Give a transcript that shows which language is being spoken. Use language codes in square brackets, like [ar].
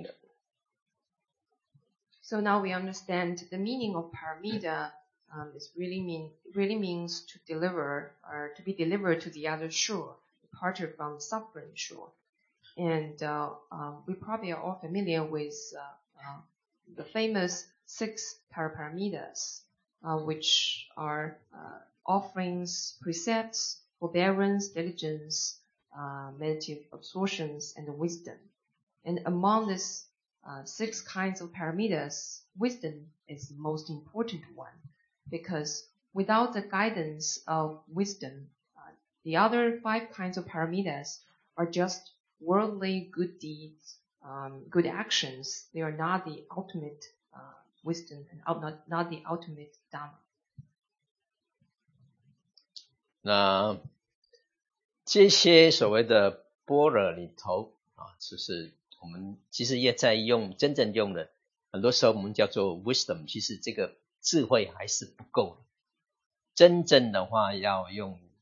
[zh] 那智慧呢又叫做般若，那般若是什么样呢？就是用智慧来指导前面的这个布施、持戒、忍辱、精进、禅定，以智慧来指导才是究竟的。 [en] So now we understand the meaning of paramita is really means to deliver or to be delivered to the other shore, departure from the suffering shore. And we probably are all familiar with the famous six paraparamitas, which are offerings, precepts, forbearance, diligence, meditative absorptions and wisdom. And among these six kinds of paramitas, wisdom is the most important one, because without the guidance of wisdom, the other five kinds of paramitas are just worldly good deeds, good actions. They are not the ultimate wisdom, and not the ultimate Dhamma. [zh] 那这些所谓的般若里头，就是我们其实也在用，真正用的，很多时候我们叫做 wisdom， 其实这个智慧还是不够的，真正的话要用。